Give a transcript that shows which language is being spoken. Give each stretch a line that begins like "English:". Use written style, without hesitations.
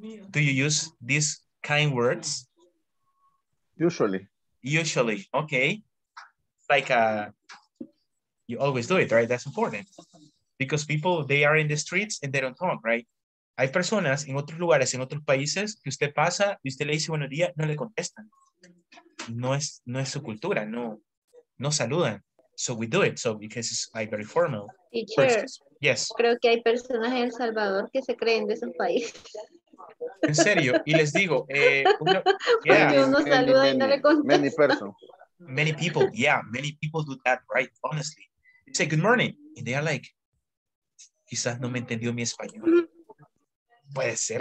English: Do you use these kind words? Usually, okay. Like you always do it, right? That's important. Because people, they are in the streets and they don't talk, right?
Spanish: Hay personas en otros lugares, en otros países, que usted pasa y usted le dice buenos días, no le contestan. No es su cultura, no. No saludan.
English: So we do it. So because it's like very formal. Teacher, yes.
Spanish: Creo que hay personas en El Salvador que se creen de ese país. En serio. Y les digo. Uno saluda y no le contesta.
English: Many persons. Many people. Yeah. Many people do that, right? Honestly. You say good morning. And they are like,
Spanish: quizás no me entendió mi español. Puede ser.